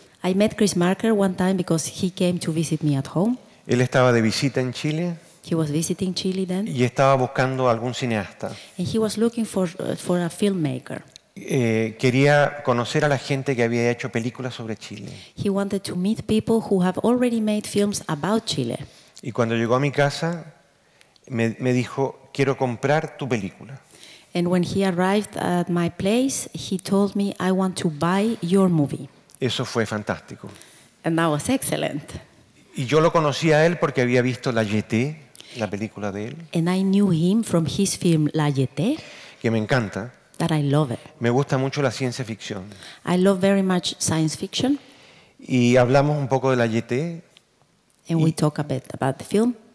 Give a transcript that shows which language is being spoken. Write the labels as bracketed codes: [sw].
[en] I met Chris Marker one time because he came to visit me at home. [es] Él estaba de visita en Chile. [en] He was visiting Chile then. [es] Y estaba buscando algún cineasta. [en] And he was looking for a filmmaker. [es] Quería conocer a la gente que había hecho películas sobre Chile. [en] He wanted to meet people who have already made films about Chile. [es] Y cuando llegó a mi casa, me dijo, quiero comprar tu película. [en] And when he arrived at my place, he told me, I want to buy your movie. [es] Eso fue fantástico. [en] And that was excellent. [es] Y yo lo conocí a él porque había visto La Jetée. La película de él. [en] And I knew him from his film La Jetée. [es] Que me encanta. [en] That I love it. [es] Me gusta mucho la ciencia ficción. [en] I love very much science fiction. [es] Y hablamos un poco de La Jetée. [en] And we talk a bit about the film.